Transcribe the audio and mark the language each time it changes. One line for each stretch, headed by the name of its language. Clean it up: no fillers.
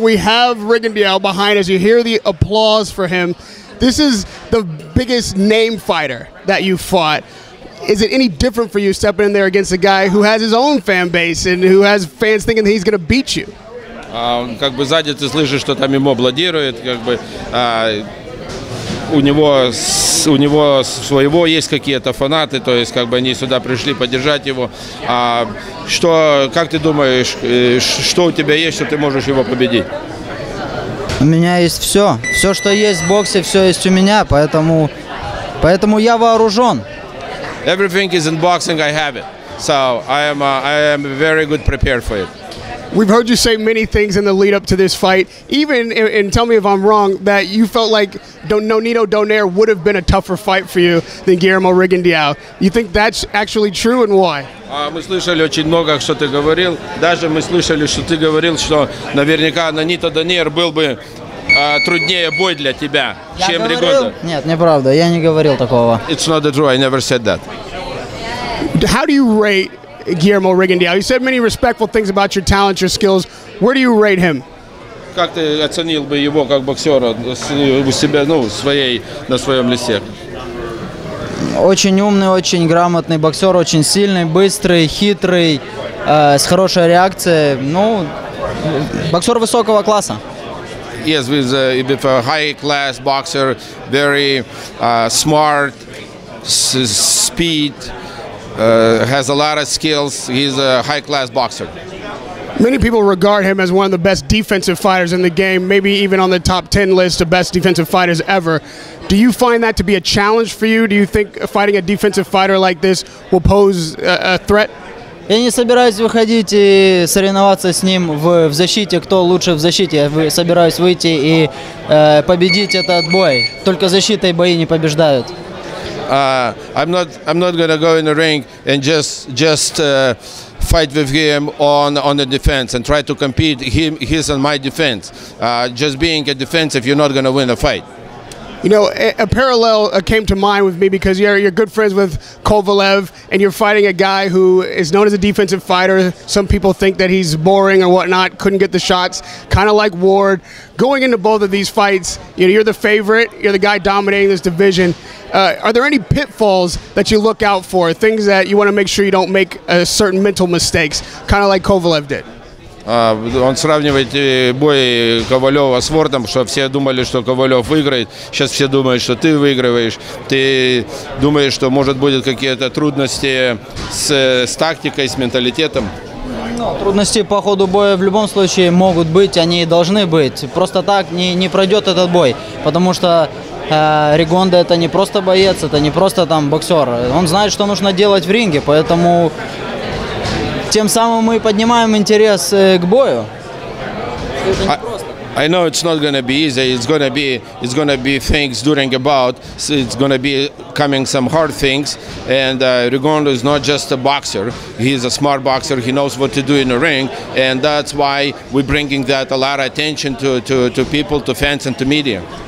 English: We have Rigondeaux behind us. You hear the applause for him. This is the biggest name fighter that you fought. Is it any different for you stepping in there against a guy who has his own fan base and who has fans thinking that he's going to beat you?
Russian: Как бы сзади ты слышишь, что там ему аплодируют, как бы у него своего есть какие-то фанаты, то есть как бы они сюда пришли поддержать его. А что, как ты думаешь, что у тебя есть, что ты можешь его победить? У меня есть все. Все, что есть в боксе, все есть у меня, поэтому я вооружен.
English: Everything is in boxing, I have it. So I am very good prepared for it. We've heard you say many things in the lead up to this fight, even, and tell me if I'm wrong, that you felt like Nonito Donaire would have been a tougher fight for you than Guillermo Rigondeaux. You think that's actually true, and why?
Russian: Мы слышали очень много, что ты говорил. Даже мы слышали, что ты говорил, что наверняка Нонито Донаир был бы труднее бой для тебя, чем Ригондо. Нет, неправда, я не говорил такого.
English: It's not true, I never said that. How do you rate Guillermo Rigondeaux? You said many respectful things about your talent, your skills. Where do you rate him?
Russian: Как ты оценил бы его как боксера у себя, ну, своей, на своем листе? Очень умный, очень грамотный боксер, очень сильный, быстрый, хитрый, с хорошей реакцией. Ну, боксер высокого класса.
English: Yes, with a high-class boxer, very smart, speed. Has a lot of skills. He's a high-class boxer. Many people regard him as one of the best defensive fighters in the game, maybe even on the top 10 list of best defensive fighters ever. Do you find that to be a challenge for you? Do you think fighting a defensive fighter like this will pose a threat?
Russian: Я не собираюсь выходить и соревноваться с ним в защите, кто лучше в защите. Я собираюсь выйти и победить этот бой. Только защита и бои не побеждают.
English: I'm not going to go in the ring and just fight with him on the defense and try to compete him, his and my defense. Just being a defensive, you're not going to win a fight. You know, a parallel came to mind with me because you're good friends with Kovalev and you're fighting a guy who is known as a defensive fighter. Some people think that he's boring or whatnot, couldn't get the shots, kind of like Ward. Going into both of these fights, you know, you're the favorite, you're the guy dominating this division. Are there any pitfalls that you look out for, things that you want to make sure you don't make certain mental mistakes, kind of like Kovalev did?
Russian: Он сравнивает бой Ковалева с Вордом, что все думали, что Ковалев выиграет. Сейчас все думают, что ты выигрываешь. Ты думаешь, что может будет какие-то трудности с тактикой, с менталитетом? Ну, трудности по ходу боя в любом случае могут быть, они должны быть. Просто так не пройдет этот бой, потому что Ригондо это не просто боец, это не просто там боксер. Он знает, что нужно делать в ринге, поэтому тем самым мы поднимаем интерес к бою.
English: I know it's not going to be easy. It's going to be things during about. So it's going to be coming some hard things. And Rigondo is not just a boxer. He's a smart boxer. He knows what to do in the ring. And that's why we're bringing that a lot of attention to people, to fans, and to media.